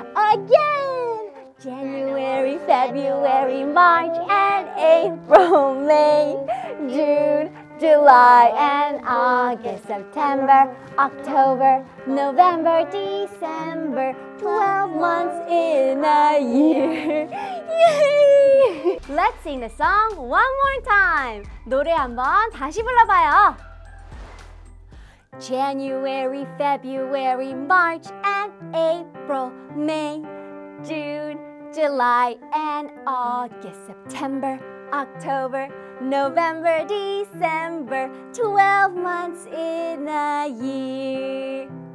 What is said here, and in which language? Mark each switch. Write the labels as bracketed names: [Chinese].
[English] Again! January, February, March, and April, May, June, July, and August, September, October, November, December, 12 months in a year. Yay! Let's sing the song one more time. [Korean] 노래 한번 다시 불러봐요. [English] January, February, March, and April, May, June, July, and August, September, October, November, December, 12 months in a year.